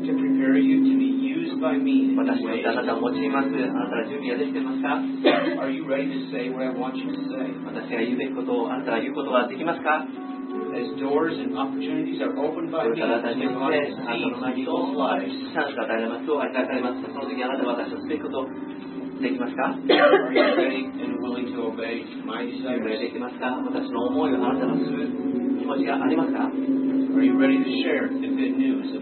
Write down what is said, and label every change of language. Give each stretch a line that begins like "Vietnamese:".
English: to prepare you to be used by me.
Japanese: 私たちはあなたを用います。あなたは準備はできていますか？
English: Are you ready to say what I want you to say?
Japanese: 私が言うべきことをあなたは言うことはできますか？
English: As doors and opportunities are opened by me, are you ready and willing to obey my desire? Are you ready to share the good news of